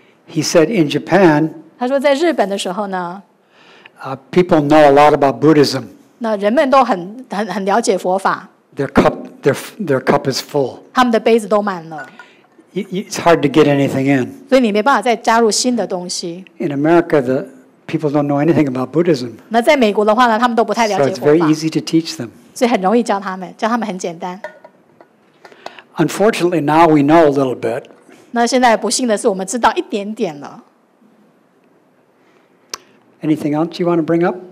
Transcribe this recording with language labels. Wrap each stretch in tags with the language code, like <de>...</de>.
<en>He said, "In Japan."</en> <zh>他说在日本的时候呢。</zh> <en>People know a lot about Buddhism.</en> <zh>那人们都很了解佛法。</zh> <en>Their cup is full.</en> <zh>他们的杯子都满了。</zh> <en>It's hard to get anything in.</en> <zh>所以你没办法再加入新的东西。</zh> <en>In America, the people don't know anything about Buddhism.</en> <zh>那在美国的话呢，他们都不太了解佛法。</zh> <en>So it's very easy to teach them.</en> <zh>所以很容易教他们，教他们很简单。</zh> <en>Unfortunately, now we know a little bit.</en> <zh>那现在不幸的是，我们知道一点点了。</zh> <en>Anything else you want to bring up?</en>